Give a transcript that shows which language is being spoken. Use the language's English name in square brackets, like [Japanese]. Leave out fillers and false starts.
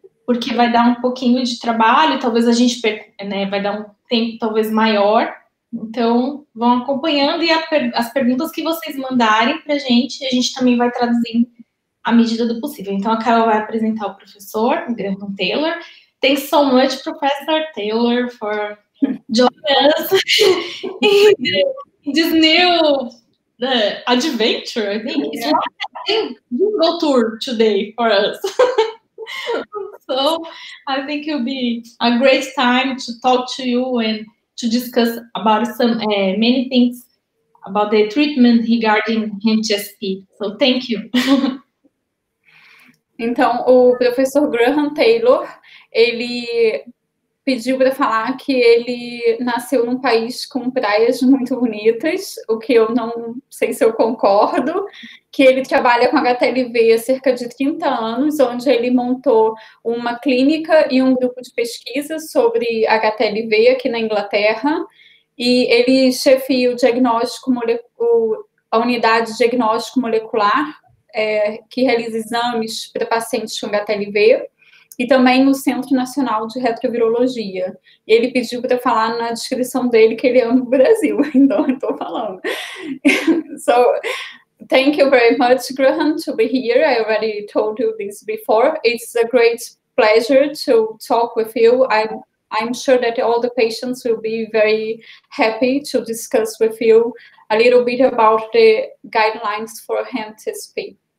[Portuguese] Porque vai dar um pouquinho de trabalho, talvez a gente, né, vai dar um tempo talvez maior. Então, vão acompanhando e as perguntas que vocês mandarem para a gente também vai traduzindo à medida do possível. Então, a Carol vai apresentar o professor, o Graham Taylor. [English] Thanks so much, Professor Taylor, for joining us in this new adventure, I think. It's like a Google tour today for us. So I think it'll be a great time to talk to you and to discuss about some many things about the treatment regarding HSP. So thank you. [Portuguese] Então, o professor Graham Taylor, ele pediu para falar que ele nasceu num país com praias muito bonitas, o que eu não sei se eu concordo, que ele trabalha com HTLV há cerca de 30 anos, onde ele montou uma clínica e um grupo de pesquisa sobre HTLV aqui na Inglaterra, e ele chefia o diagnóstico a unidade de diagnóstico molecular, que realiza exames para pacientes com HTLV, e também no Centro Nacional de Retrovirologia. E ele pediu para falar na descrição dele que ele ama o Brasil, então eu estou falando. [English] So, thank you very much, Graham, to be here. I already told you this before. It's a great pleasure to talk with you. I'm sure that all the patients will be very happy to discuss with you a little bit about the guidelines for HSP.